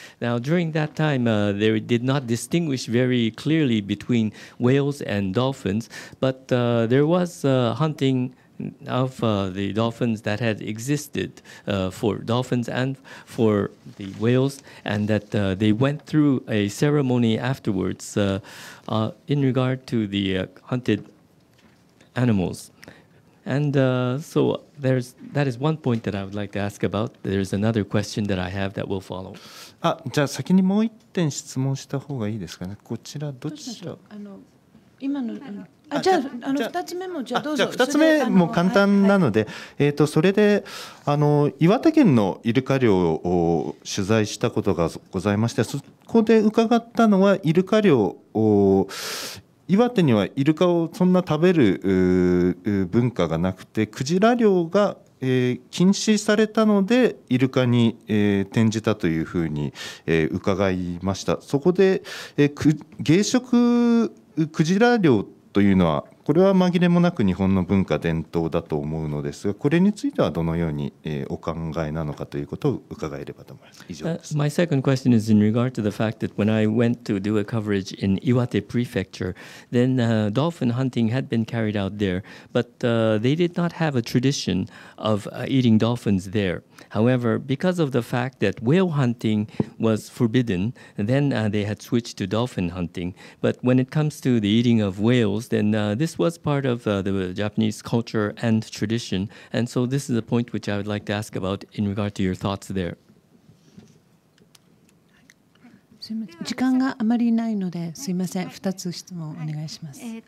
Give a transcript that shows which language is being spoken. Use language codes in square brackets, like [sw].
[en] Now, during that time, they did not distinguish very clearly between whales and dolphins, but there was hunting of the dolphins that had existed for dolphins and for the whales, and that they went through a ceremony afterwards in regard to the hunted animals. And so that is one point that I would like to ask about. There's another question that I have that will follow. [ja] あ、じゃあ先にもう一点質問した方がいいですかね。こちらどちら？今の、じゃあ二つ目も簡単なので、はい、それで岩手県のイルカ漁を取材したことがございまして、そこで伺ったのはイルカ漁を岩手にはイルカをそんな食べる文化がなくて、クジラ漁が禁止されたのでイルカに転じたというふうに伺いました。そこで芸食クジラ漁というのは、これは紛れもなく日本の文化伝統だと思うのですが、これについてはどのようにお考えなのかということを伺えればと思います。以上です。 [en] My second question is in regard to the fact that when I went to do a coverage in Iwate Prefecture, then dolphin hunting had been carried out there, but they did not have a tradition of eating dolphins there. However, because of the fact that whale hunting was forbidden, then they had switched to dolphin hunting. But when it comes to the eating of whales, then this was part of the Japanese culture and tradition. And so this is a point which I would like to ask about in regard to your thoughts there. [ja] 時間があまりないのですいません、2つ質問お願いします。